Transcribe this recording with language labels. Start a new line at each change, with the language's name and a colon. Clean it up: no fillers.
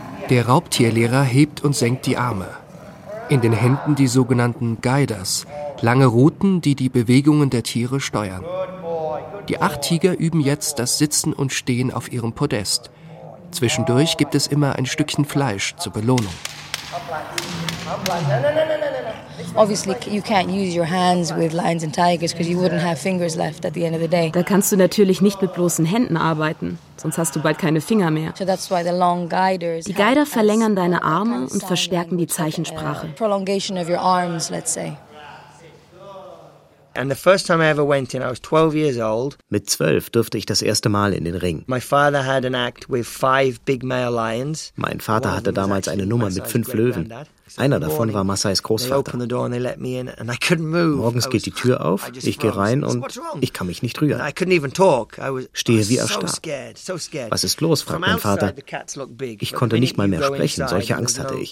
German: Der Raubtierlehrer hebt und senkt die Arme. In den Händen die sogenannten Guiders, lange Ruten, die die Bewegungen der Tiere steuern. Die 8 Tiger üben jetzt das Sitzen und Stehen auf ihrem Podest. Zwischendurch gibt es immer ein Stückchen Fleisch zur Belohnung.
English: Obviously, you can't use your hands with lions and tigers because you wouldn't have fingers left at the end of the day.
German: Da kannst du natürlich nicht mit bloßen Händen arbeiten, sonst hast du bald keine Finger mehr.
English: So that's why the long guiders.
German: Die Guider verlängern deine Arme und verstärken die Zeichensprache.
English: Prolongation of your arms, let's say. And the first time I ever went in, I was 12 years old.
German: Mit 12 durfte ich das erste Mal in den Ring.
English: My father had an act with 5 big male lions.
German: Mein Vater hatte damals eine Nummer mit 5 Löwen. Einer davon war Masais Großvater. Morgens geht die Tür auf, ich gehe rein und ich kann mich nicht rühren. Stehe wie erstarrt. Was ist los, fragt mein Vater. Ich konnte nicht mal mehr sprechen, solche Angst hatte ich.